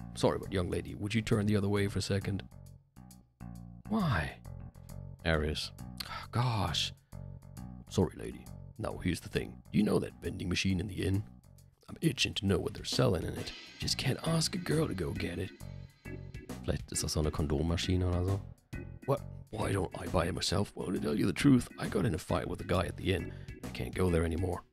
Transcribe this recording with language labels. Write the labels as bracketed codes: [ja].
[en] Sorry, but young lady, would you turn the other way for a second? Why? Aries. Oh, gosh. Sorry, lady. Now, here's the thing. Do you know that vending machine in the inn? I'm itching to know what they're selling in it. Just can't ask a girl to go get it. [de] Vielleicht ist das so eine Kondommaschine oder so. [en] What? Why don't I buy it myself? Well, to tell you the truth, I got in a fight with a guy at the inn. I can't go there anymore.